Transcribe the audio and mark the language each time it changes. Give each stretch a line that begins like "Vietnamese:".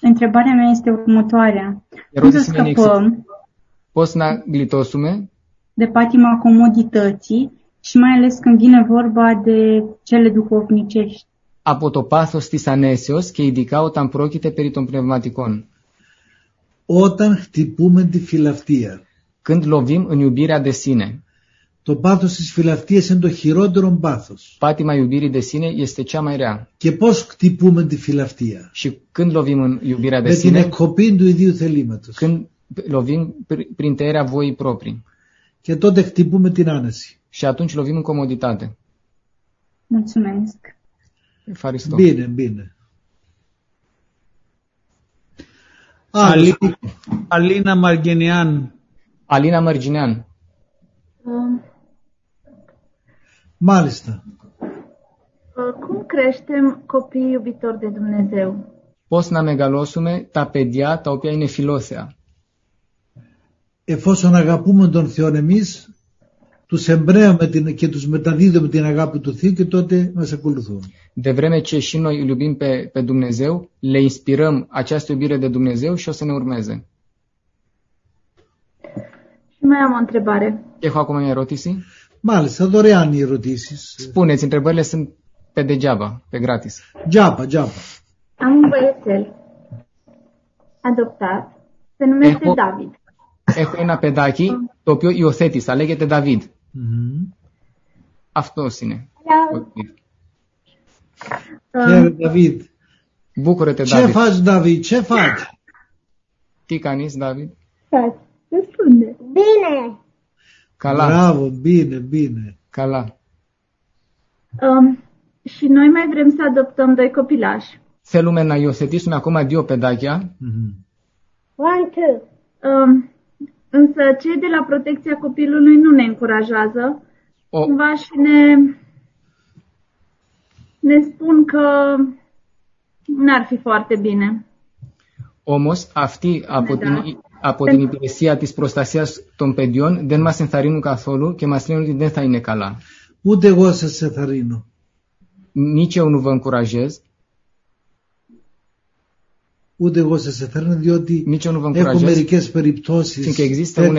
Romanian: Întrebarea mea este următoarea.
Greek: Ερώτηση είναι εξής. Πώς να γλιτώσουμε
Romanian: de patima comodității și mai ales când vine vorba de cele duhovnicești.
Greek: Από το πάθος της ανέσεως και ειδικά όταν πρόκειται περί των πνευματικών. Όταν χτυπούμε τη φιλαυτία.
Romanian: Când lovim în iubirea de sine.
Greek: Το πάθος της φιλαυτίας είναι το χειρότερο πάθος.
Romanian: Πάτημα iubirii de sine este cea mai rea.
Greek: Και πώς χτυπούμε τη φιλαυτία.
Romanian: Și când lovim în iubirea de
Greek: με
Romanian: sine.
Greek: Με την εκκοπή του ιδίου θελήματος.
Romanian: Când lovim prin tăierea voii proprii.
Greek: Και τότε χτυπούμε την άνεση.
Romanian: Și atunci lovim în comoditate. Mulțumesc.
Greek: Ευχαριστώ. Bine, bine. Αλίνα Μαργενιάν. Αλίνα Μαργενιάν. Μάλιστα.
Romanian: Cum creștem copiii iubitori de Dumnezeu?
Greek: Πώς να μεγαλώσουμε τα παιδιά τα οποία είναι φιλόθεα. εφόσον αγαπούμε τον Θεό εμείς, τους εμπρέαμε και τους μεταδίδουμε την αγάπη του Θεού και τότε μας ακολουθούν.
Romanian: De vreme ce și noi iubim pe Dumnezeu, le inspirăm această iubire de Dumnezeu și o să ne urmeze. Și mai am o întrebare. Ce fac acum erotisi?
Greek: Μάλιστα, δωρεάν οι ερωτήσεις.
Romanian: Spuneți, întrebările sunt pe degeaba, pe gratis. Geaba, geaba. Am un băiețel adoptat, se numește David.
Greek: Έχω ένα παιδάκι το οποίο υιοθέτησα, λέγεται David. Αυτός είναι. Χαίρε, David. Μπούκρετε, David. Τι φας, David, τι φας. Τι κάνεις, David. Φας, δεν
Romanian: Μπίνε.
Greek: Καλά. Μπράβο, μπίνε, μπίνε. Καλά.
Romanian: Și noi mai vrem să adoptăm doi copilași.
Greek: Θέλουμε να υιοθετήσουμε ακόμα δύο παιδάκια.
English: One, two.
Romanian: Însă cei de la protecția copilului nu ne încurajează. Cumva și ne spun că n-ar fi foarte bine.
Greek: Όμως αυτοί από την υπηρεσία της προστασίας των παιδιών δεν μας ενθαρρύνουν καθόλου και μας λένε ότι δεν θα είναι καλά. Ούτε εγώ σας ενθαρρύνω.
Romanian: Nici eu nu vă încurajez.
Greek: Ούτε εγώ σας εθέρνω, διότι έχω μερικές περιπτώσεις